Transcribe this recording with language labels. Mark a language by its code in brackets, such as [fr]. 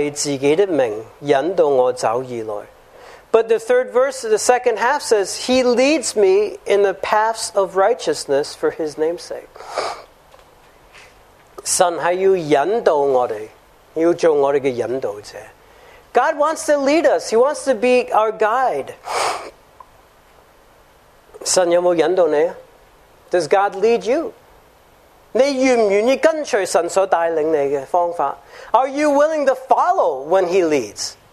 [zh] 第三节下半节说为自己的名引导我走而来. [en] But the third verse, the second half says, He leads me in the paths of righteousness for His namesake. [zh] 神是要引导我们，要做我们的引导者. [en] God wants to lead us. He wants to be our guide. [zh] 神有没有引导你? [en] Does God lead you? [zh] 你愿不愿意跟随神所带领你的方法? [en] Are you willing to follow when He leads?